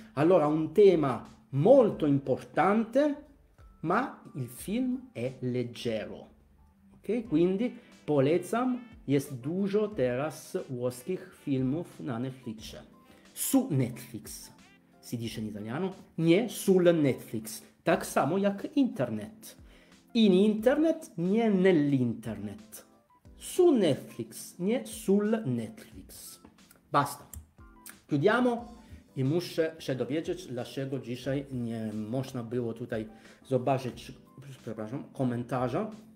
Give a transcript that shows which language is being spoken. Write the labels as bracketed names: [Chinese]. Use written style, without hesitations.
[Italian] Allora, un tema molto importante, ma il film è leggero. Ok? Quindi, [Polish] polecam, jest dużo teraz włoskich filmów na Netflix. [Italian] Su Netflix, si dice in italiano, [Polish] nie [Italian] sul Netflix, [Polish] tak samo jak internet. [Italian] In internet, [Polish] nie [Italian] nell'internet. Su Netflix, [Polish] nie [Italian] sul Netflix. Basta. Chiudiamo [Polish] i muszę się dowiedzieć, dlaczego dzisiaj nie można było tutaj zobaczyć, przepraszam, komentarza.